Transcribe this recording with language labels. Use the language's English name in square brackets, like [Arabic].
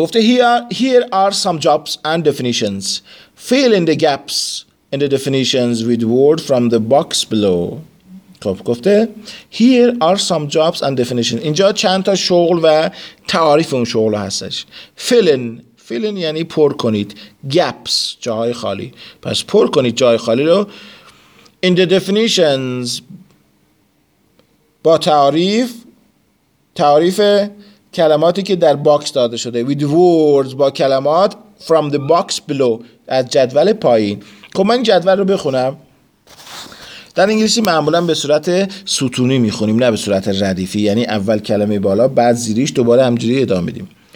[English] گفته here are some jobs and definitions. Fill in the gaps in the definitions with word from the box below. خب گفته here are some jobs and definitions. [Persian] اینجا چند تا شغل و تعاریف اون شغل هستش. Fill in یعنی پر کنید. Gaps جاهای خالی. پس پر کنید جای خالی رو. [English] In the definitions [Persian] با تعاریف. تعاریف کلماتی که در باکس داده شده، [English] with words [Persian] با کلمات، [English] from the box below [Persian] از جدول پایین. خب من این جدول رو بخونم. در انگلیسی معمولا به صورت ستونی میخونیم نه به صورت ردیفی، یعنی اول کلمه بالا بعد زیریش، دوباره همجوری ادامه میدیم.